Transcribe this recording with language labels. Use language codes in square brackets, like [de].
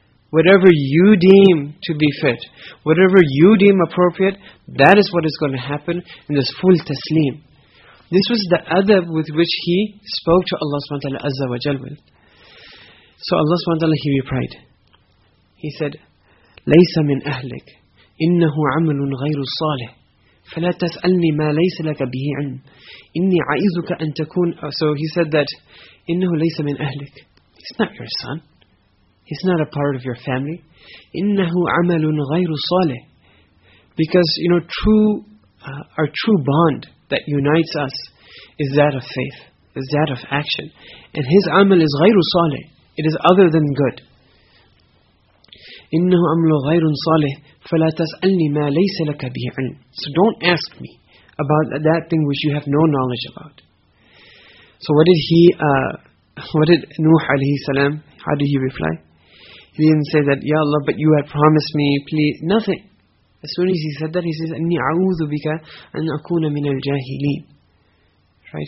[en] Whatever you deem to be fit, whatever you deem appropriate, that is what is going to happen in this full taslim. This was the adab with which he spoke to Allah subhanahu wa ta'ala azza wa jal. So Allah subhanahu wa ta'ala, he replied. He said, [ar] ليس من أهلك، إنه عمل غير صالح، فلا تسألني ما ليس لك به علم، إني عائزك أن تكون. [en] So he said that [ar] إنه ليس من أهلك. [en] He's not your son. He's not a part of your family. [ar] إنه عمل غير صالح. [en] Because you know, our true bond that unites us is that of faith, is that of action. And his amal is [ar] غير صالح. [en] It is other than good. [ar] إنه عمل غير صالح. فلا تسألني ما ليس لك به علم. [en] So don't ask me about that thing which you have no knowledge about. So what did Nuh alayhi salam, how did he reply? He didn't say that, Ya Allah, but you had promised me, please, nothing. As soon as he said that, he says, [ar] أَنِّي أَعُوذُ بِكَ أَنْ أَكُونَ مِنَ الْجَاهِلِينَ. [en] Right?